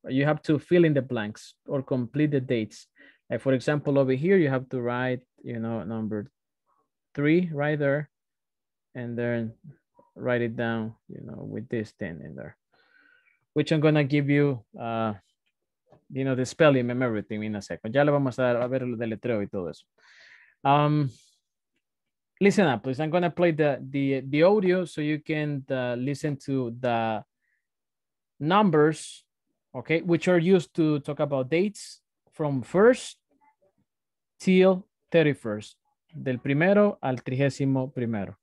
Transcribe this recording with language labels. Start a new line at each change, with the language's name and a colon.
English: You have to fill in the blanks or complete the dates. Like for example, over here, you have to write, you know, number 3 right there, and then write it down, you know, with this 10 in there, which I'm going to give you, you know, the spelling and everything in a second.
Spanish: Ya le vamos a dar a ver lo del letreo y todo eso.
English: Listen up, please. I'm going to play the audio so you can listen to the numbers, okay, which are used to talk about dates from first till 31st,
Spanish: del primero al trigésimo primero.